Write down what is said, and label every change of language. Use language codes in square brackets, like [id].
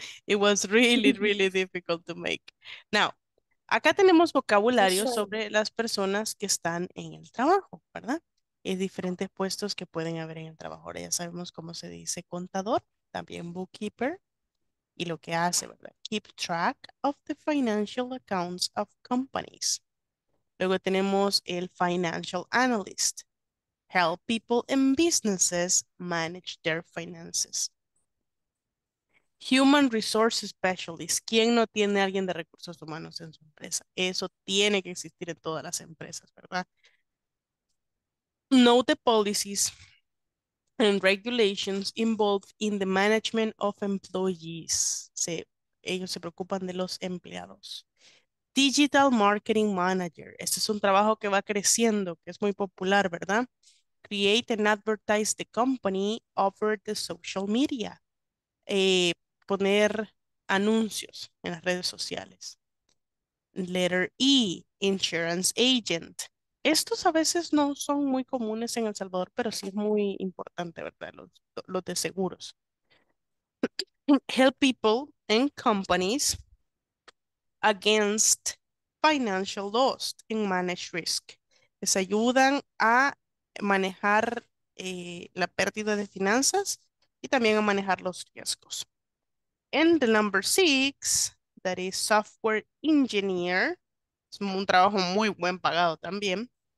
[en] It was really, really difficult to make. Now, [es] acá tenemos vocabulario sobre las personas que están en el trabajo, ¿verdad? Y diferentes puestos que pueden haber en el trabajo. Ahora ya sabemos cómo se dice contador, también bookkeeper, y lo que hace, ¿verdad? [en] Keep track of the financial accounts of companies. [es] Luego tenemos el [en] financial analyst. Help people and businesses manage their finances. Human resources specialist. [es] ¿Quién no tiene a alguien de recursos humanos en su empresa? Eso tiene que existir en todas las empresas, ¿verdad? [en] Know the policies and regulations involved in the management of employees. [es] Ellos se preocupan de los empleados. Digital marketing manager. Este es un trabajo que va creciendo, que es muy popular, ¿verdad? [en] Create and advertise the company over the social media. [es] Poner anuncios en las redes sociales. [en] Letter E, insurance agent. [es] Estos a veces no son muy comunes en El Salvador, pero sí es muy importante, ¿verdad? Los de seguros. [en] Help people and companies against financial loss and manage risk. [es] Les ayudan a manejar la pérdida de finanzas y también a manejar los riesgos. [en] And the number six, that is software engineer, [es] es un trabajo muy buen pagado también.